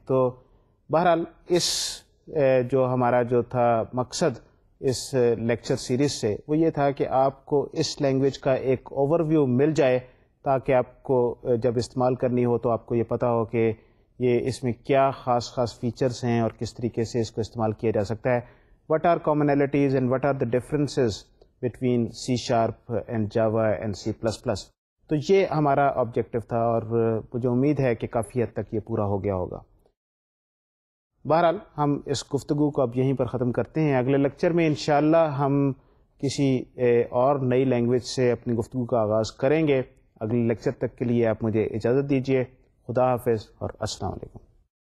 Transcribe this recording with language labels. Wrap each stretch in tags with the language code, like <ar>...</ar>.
<ur>تو بہرحال اس جو ہمارا جو تھا مقصد اس لیکچر سیریز سے وہ یہ تھا کہ آپ کو اس لینگویج کا ایک اوور ویو مل جائے, تاکہ آپ کو جب استعمال کرنی ہو تو آپ کو یہ پتہ ہو کہ یہ اس میں کیا خاص خاص فیچرز ہیں اور کس طریقے سے اس کو استعمال کیا جا سکتا ہے.</ur> <en>What are commonalities and what are the differences between C sharp and Java and C++?</en> <ur>تو یہ ہمارا objective تھا, اور مجھے امید ہے کہ کافی حد تک یہ پورا ہو گیا ہوگا. بہرحال ہم اس گفتگو کو اب یہیں پر ختم کرتے ہیں. اگلے لیکچر میں انشاءاللہ ہم کسی اور نئی لینگویج سے اپنی گفتگو کا آغاز کریں گے. اگلے لیکچر تک کے لیے آپ مجھے اجازت دیجئے. خدا حافظ اور السلام علیکم.</ur>